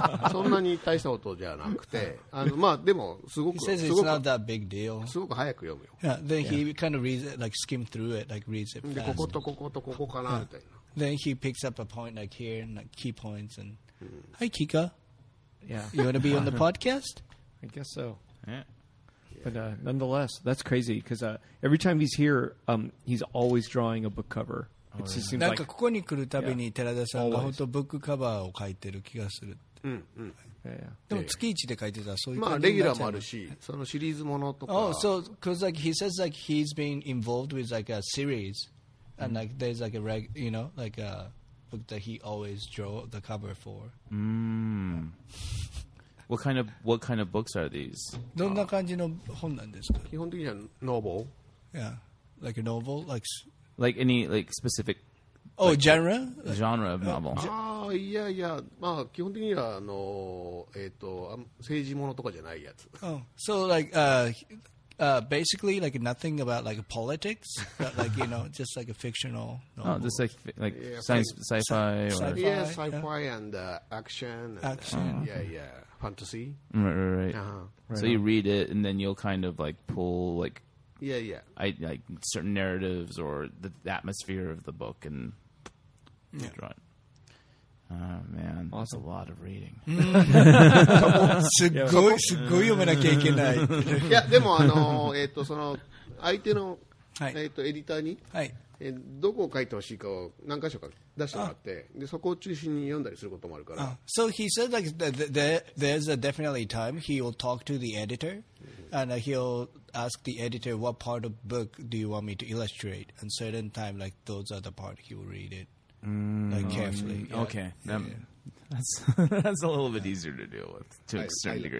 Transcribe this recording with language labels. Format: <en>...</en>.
<ja>そんなに大したことじゃなくて、でもすごく、</ja> <en>He says it's not that big deal.</en> <ja>すごく早く読むよ。</ja> <en>Yeah, then he kind of reads it, like skim through it, like reads it fast.</en> <ja>で、こことこことここかなみたいな。</ja> <en>Then he picks up a point like here and like key points and, Hi, Kika. Yeah. You want to be on the podcast? I guess so. Yeah. But nonetheless, that's crazy because every time he's here, he's always drawing a book cover. It just seems like.</en> <ja>ここに来るたびに寺田さんが本当ブックカバーを書いてる気がする。うんうん。</ja> <en>Yeah.</en> <ja>でも月一で書いてたそういう。まあレギュラーもあるし、そのシリーズものとか。</ja> <en>Oh, so because like he says like he's been involved with like a series, and like there's like a you know like a book that he always draw the cover for. What kind of books are these?</en> <ja>どんな感じの本なんですか？基本的には novel.</ja> <en>Yeah, like a novel, like any specific. Oh, like genre. Genre of novel.</en> <ja>まあ基本的にはあの政治ものとかじゃないやつ。</ja> <en>Oh, so like basically like nothing about like politics, but like you know just like a fictional novel. Oh, just like sci-fi and action. Action. Oh. Yeah. Fantasy. Right. Uh-huh. So you read it and then you'll kind of like pull like like certain narratives or the atmosphere of the book and draw it. Oh man. Awesome. That's a lot of reading.</en> <ja>すごい読めなきゃいけない。いやでもその相手の、はい、エディターに、はい、どこを書いてほしいかを何箇所か出してもらって、でそこを中心に読んだりすることもあるから。</ja> <en>So he said like there's a definitely time he will talk to the editor, and he'll ask the editor what part of book do you want me to illustrate, and certain time like those are the part he will read it like carefully. Okay, that's a little bit easier to deal with to a certain degree.</en>